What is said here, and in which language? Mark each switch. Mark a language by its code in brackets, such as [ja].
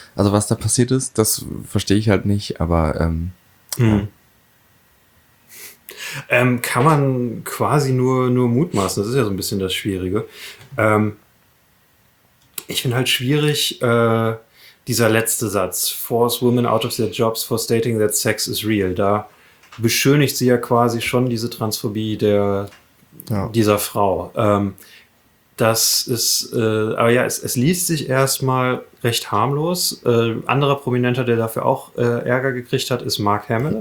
[de] Also was da passiert ist, das verstehe ich halt nicht, aber Kann man quasi nur mutmaßen. Das ist ja so ein bisschen das Schwierige. Ich finde halt schwierig, dieser letzte Satz. [en] Force women out of their jobs for stating that sex is real. [de] Da beschönigt sie ja quasi schon diese Transphobie dieser Frau. Das ist, aber ja, es liest sich erstmal recht harmlos. Anderer Prominenter, der dafür auch Ärger gekriegt hat, ist Mark Hamill.